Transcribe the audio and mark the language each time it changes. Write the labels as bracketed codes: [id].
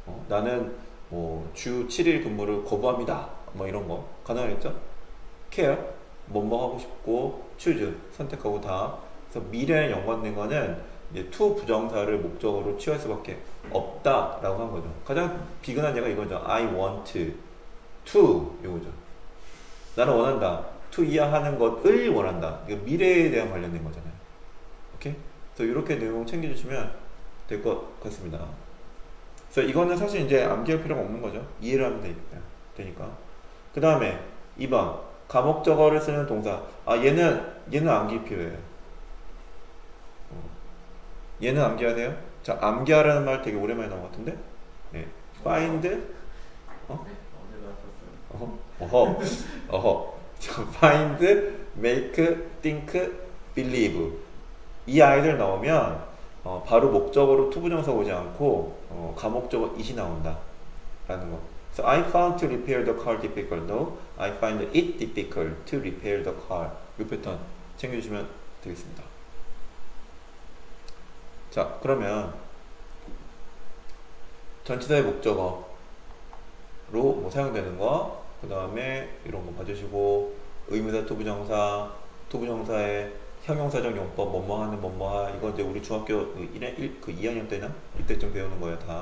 [ko] 나는 뭐 주 7일 근무를 거부합니다. 뭐 이런 거 가능하겠죠? care. 뭐 하고 싶고 choose. 선택하고 다. 그래서 미래에 연관된 거는 이제 to 부정사를 목적으로 취할 수밖에 없다 라고 한 거죠. 가장 비근한 예가 이거죠. [en] I want to [ko] 이거죠. 나는 원한다. to 이해하는 것을 원한다. 이거 미래에 대한 관련된 거잖아요. 오케이? 그래서 이렇게 내용 챙겨주시면 될 것 같습니다. 그래서 이거는 사실 이제 암기할 필요가 없는 거죠. 이해를 하면 되니까. 그 다음에 2번 감옥적어를 쓰는 동사. 아, 얘는 암기 필요해요. 얘는 암기하세요? 자, 암기하라는 말 되게 오랜만에 나온 것 같은데? 네. find? 어? 언제 나왔었어요? [en] 어허. find, make, think, believe. [ko] 이 아이들 나오면, 바로 목적으로 투부정사 오지 않고, 감옥적어 it이 나온다. 라는 거. [en] So, I found to repair the car difficult though. I find it difficult to repair the car. [ko] 요 패턴 챙겨주시면 되겠습니다. 자, 그러면 전치사의 목적어로 뭐 사용되는 거, 그 다음에 이런 거 봐주시고 의미사 투부정사, 투부정사의 형용사적 용법, 뭐뭐 하는 뭐뭐 하, 이거 이제 우리 중학교 그 2학년 때나 이때쯤 배우는 거예요.